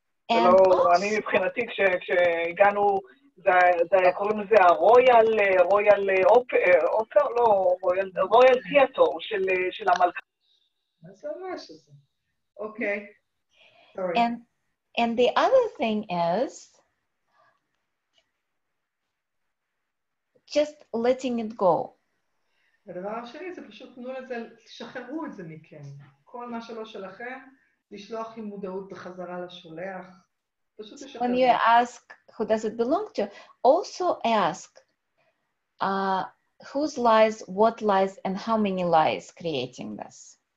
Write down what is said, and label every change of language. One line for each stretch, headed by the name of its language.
Hebrew: לא, אני מבחינתי כשהגענו, זה קוראים לזה הרויאל, רויאל אופר, אופר? לא, רויאל תיאטור של המלכה. מה זה ממש זה? אוקיי.
English: And the other thing is, just letting it go.
Hebrew: הדבר השני זה פשוט תנו לזה, תשחררו את זה מכם. כל מה שלא שלכם, לשלוח עם מודעות בחזרה לשולח.
English: When you ask who does it belong to, also ask whose lies, what lies, and how many lies creating this.